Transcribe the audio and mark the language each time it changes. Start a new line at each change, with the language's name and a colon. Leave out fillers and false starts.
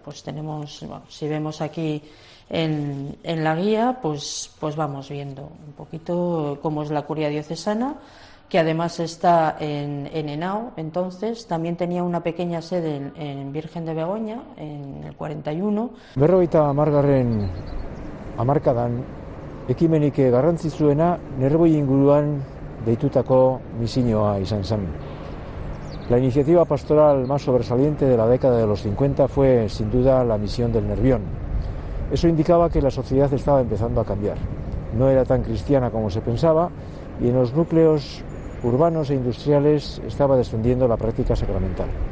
Spanish: Pues tenemos, bueno, si vemos aquí en la guía, pues vamos viendo un poquito cómo es la curia diocesana, que además está en Henao. Entonces también tenía una pequeña sede en Virgen de Begoña, en el 41.
Basque: Berrogeita hamargarren hamarkadan, ekimenik garrantzitsuena Nerboi inguruan deitutako misiñoa izan zen.
Spanish: La iniciativa pastoral más sobresaliente de la década de los 50 fue, sin duda, la misión del Nervión. Eso indicaba que la sociedad estaba empezando a cambiar. No era tan cristiana como se pensaba, y en los núcleos urbanos e industriales estaba descendiendo la práctica sacramental.